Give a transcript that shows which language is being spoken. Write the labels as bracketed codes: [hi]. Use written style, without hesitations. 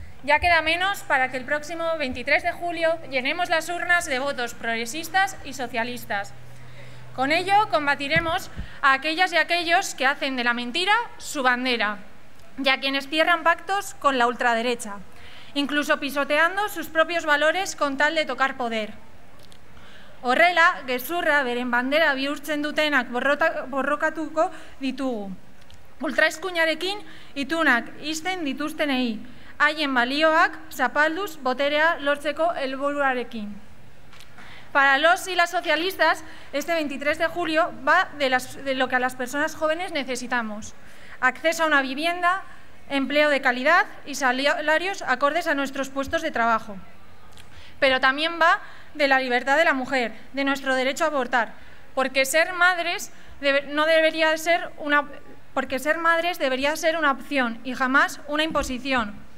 [es] Ya queda menos para que el próximo 23 de julio llenemos las urnas de votos progresistas y socialistas. Con ello combatiremos a aquellas y aquellos que hacen de la mentira su bandera y a quienes cierran pactos con la ultraderecha, incluso pisoteando sus propios valores con tal de tocar poder. [eu] Horrela, gezurra beren bandera bihurtzen dutenak borrokatuko ditugu. Ultraeskuinarekin itunak izten dituztenei, haien balioak zapalduz boterea lortzeko helburuarekin. [es] Para los y las socialistas, este 23 de julio va de lo que a las personas jóvenes necesitamos: acceso a una vivienda, empleo de calidad y salarios acordes a nuestros puestos de trabajo. Pero también va de la libertad de la mujer, de nuestro derecho a abortar, porque ser madres debería ser una opción y jamás una imposición.